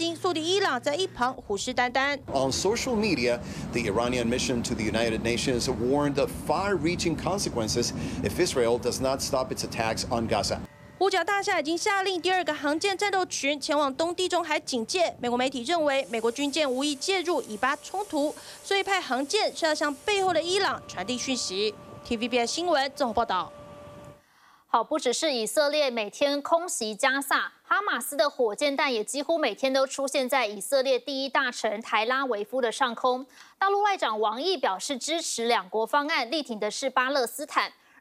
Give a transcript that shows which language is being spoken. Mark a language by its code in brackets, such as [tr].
[zh] 南边有哈马斯，北边有真主党。现在以色列最怕的就是被南北包夹，所以他们也说不是真的想和真主党打仗。毕竟以色列还得担心苏迪伊朗在一旁虎视眈眈。 [en] On social media, the Iranian mission to the United Nations warned of far-reaching consequences if Israel does not stop its attacks on Gaza. [zh] 五角大厦已经下令第二个航舰战斗群前往东地中海警戒。美国媒体认为，美国军舰无意介入以巴冲突，所以派航舰是要向背后的伊朗传递讯息。TVBS 新闻综合报道。好，不只是以色列每天空袭加萨，哈马斯的火箭弹也几乎每天都出现在以色列第一大城台拉维夫的上空。大陆外长王毅表示支持两国方案，力挺的是巴勒斯坦。